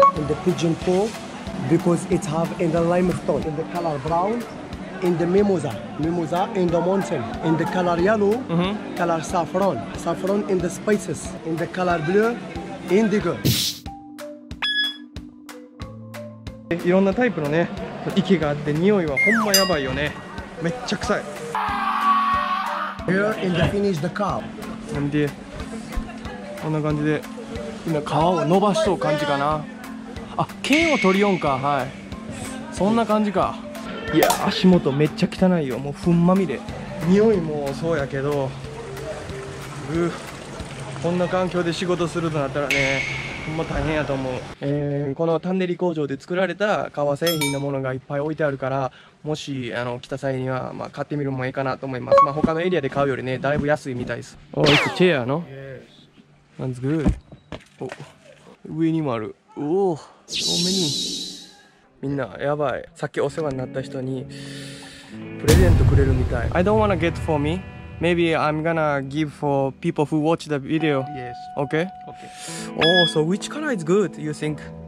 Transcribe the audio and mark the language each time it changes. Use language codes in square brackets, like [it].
[en] And the pigeon poo, because it have in the limestone, in the color brown, in the mimosa, mimosa in the mountain, in the color yellow, color saffron, saffron in the spices, in the color blue, indigo. [ja] いろんなタイプのね、池があって匂いはほんまやばいよね。めっちゃ臭い。 [en] Here in the finish the car. [ja] なんで。こんな感じで今皮を伸ばしそう感じかな。あ、剣を取りよんか。はい、そんな感じか。いや、足元めっちゃ汚いよ。もう糞まみれ。匂いもそうやけど、うこんな環境で仕事するとなったらね、ほんま大変やと思う。このタンネリ工場で作られた革製品のものがいっぱい置いてあるから、もし来た際には、まあ、買ってみるのもいいかなと思います。まあ、他のエリアで買うよりねだいぶ安いみたいです。おー、チェアの、なんすか。上にもある。おお、正面に。みんなやばい。さっきお世話になった人にプレゼントくれるみたい。 [en] I don't wanna get for me. Maybe I'm gonna give for people who watch the video. Yes. Okay? Okay. Oh, so which color is good, you think?